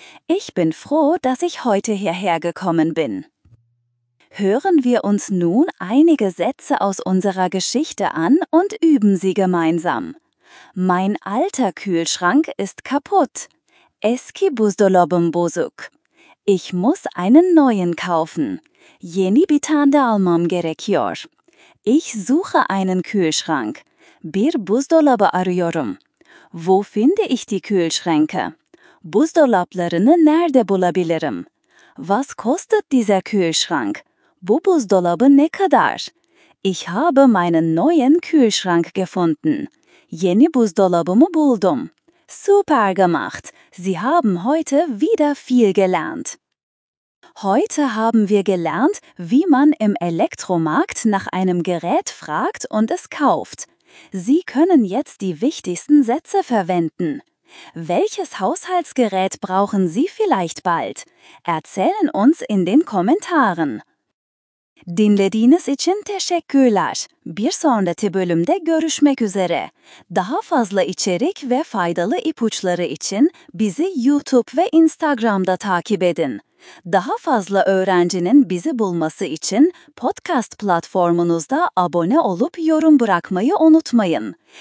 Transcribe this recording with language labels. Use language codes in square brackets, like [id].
[de] Ich bin froh, dass ich heute hierher gekommen bin. Hören wir uns nun einige Sätze aus unserer Geschichte an und üben sie gemeinsam. Mein alter Kühlschrank ist kaputt. [tr] Eski buzdolabım bozuk. [de] Ich muss einen neuen kaufen. [tr] Yeni bir tane almam gerekiyor. [de] Ich suche einen Kühlschrank. [tr] Bir buzdolabı arıyorum. [de] Wo finde ich die Kühlschränke? [tr] Buzdolaplarını nerede bulabilirim? [de] Was kostet dieser Kühlschrank? [tr] Bu buzdolabı ne kadar? [de] Ich habe meinen neuen Kühlschrank gefunden. [tr] Yeni buzdolabımı buldum. [de] Super gemacht! Sie haben heute wieder viel gelernt. Heute haben wir gelernt, wie man im Elektromarkt nach einem Gerät fragt und es kauft. Sie können jetzt die wichtigsten Sätze verwenden. Welches Haushaltsgerät brauchen Sie vielleicht bald? Erzählen uns in den Kommentaren. [tr] Dinlediğiniz için teşekkürler. Bir sonraki bölümde görüşmek üzere. Daha fazla içerik ve faydalı ipuçları için bizi YouTube ve Instagram'da takip edin. Daha fazla öğrencinin bizi bulması için podcast platformunuzda abone olup yorum bırakmayı unutmayın.